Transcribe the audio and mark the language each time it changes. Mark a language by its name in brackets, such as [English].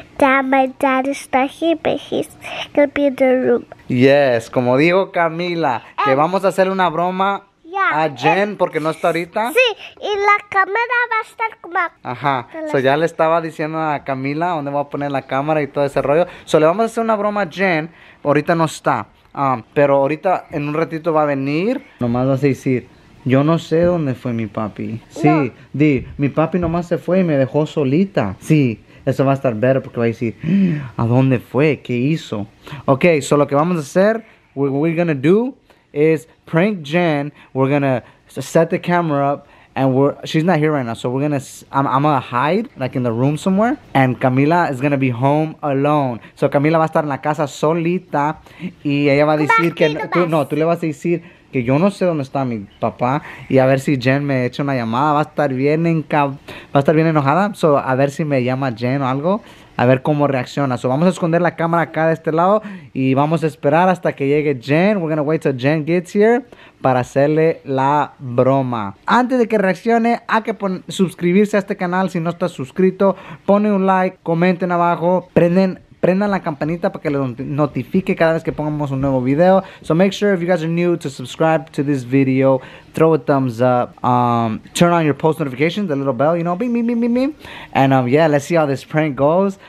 [English] Dad, my dad is not here, but he's gonna be in the room. [Spanish] Yes, como digo, Camila, que vamos a hacer una broma. [English] Yeah, [Spanish] a Jen, porque no está ahorita. Sí, y la cámara va a estar como... Ajá, so ya le estaba diciendo a Camila dónde voy a poner la cámara y todo ese rollo. So le vamos a hacer una broma a Jen, ahorita no está. Pero ahorita en un ratito va a venir. Nomás vas a decir, yo no sé dónde fue mi papi. Sí, no. Di, mi papi nomás se fue y me dejó solita. Sí, eso va a estar [English] better [Spanish] porque va a decir, ¿a dónde fue? ¿Qué hizo? Ok, so lo que vamos a hacer, [English] what we're gonna do... is prank Jen. We're gonna set the camera up and she's not here right now, so we're gonna I'm gonna hide like in the room somewhere, and Camila is gonna be home alone. [Spanish] So Camila va a estar en la casa solita y ella va a decir que tú le vas a decir que yo no sé dónde está mi papá, y a ver si Jen me echa una llamada. Va a estar bien enojada, so a ver si me llama Jen o algo. A ver cómo reacciona. So, vamos a esconder la cámara acá de este lado y vamos a esperar hasta que llegue Jen. We're gonna wait till Jen gets here para hacerle la broma. Antes de que reaccione, hay que suscribirse a este canal si no estás suscrito. Pone un like, comenten abajo, prendan la campanita para que les notifique cada vez que pongamos un nuevo video. [English] So make sure if you guys are new to subscribe to this video, throw a thumbs up, turn on your post notifications, the little bell, you know, bing, bing, bing, bing, bing. And yeah, let's see how this prank goes.